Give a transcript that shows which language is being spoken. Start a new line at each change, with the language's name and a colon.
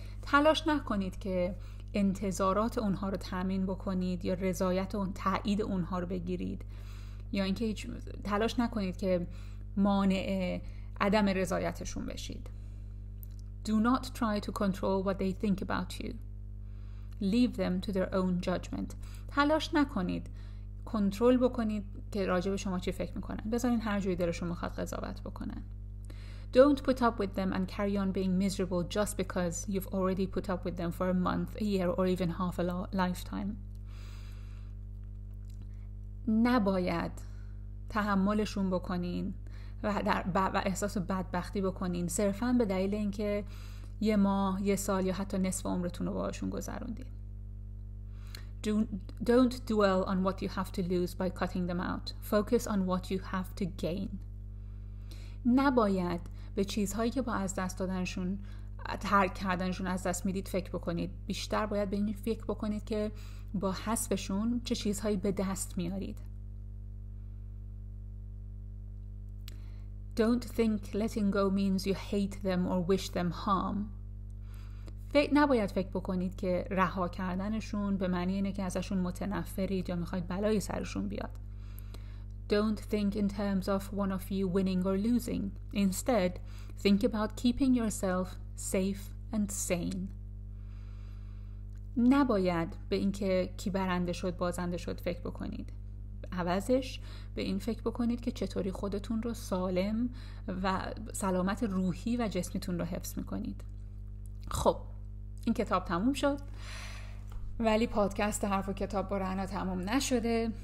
Persian: تلاش نکنید که انتظارات اونها رو تامین بکنید یا رضایت اون تایید اونها رو بگیرید، یا اینکه هیچ تلاش نکنید که مانع عدم رضایتشون بشید.
English: Do not try to control what they think about you. Leave them to their own judgment.
Persian: تلاش نکنید کنترل بکنید که راجع به شما چی فکر میکنن. بذارین هر جوری دلشون میخواد قضاوت بکنن.
English: Don't put up with them and carry on being miserable just because you've already put up with them for a month, a year, or even half a lifetime.
Persian: نباید تحملشون بکنین و احساس بدبختی بکنین صرفا به دلیل اینکه یه ماه، یه سال یا حتی نصف عمرتون رو باهاشون گذروندین.
English: Don't dwell on what you have to lose by cutting them out. Focus on what you have to gain.
Persian: نباید به چیزهایی که با از دست دادنشون، ترک کردنشون از دست میدید فکر بکنید. بیشتر باید به این فکر بکنید که با حذفشون چه چیزهایی به دست میارید.
English: Don't think letting go means you hate them or wish them harm.
Persian: نباید فکر بکنید که رها کردنشون به معنی اینه که ازشون متنفرید یا میخواید بلای سرشون بیاد.
English: Don't think in terms of one of you winning or losing. Instead, think about keeping yourself safe and sane.
Persian: نباید به اینکه کی برنده شد، بازنده شد فکر بکنید. عوضش به این فکر بکنید که چطوری خودتون رو سالم و سلامت روحی و جسمیتون رو حفظ میکنید. خب، این کتاب تموم شد. ولی پادکست حرف و کتاب با رعنا تموم نشده.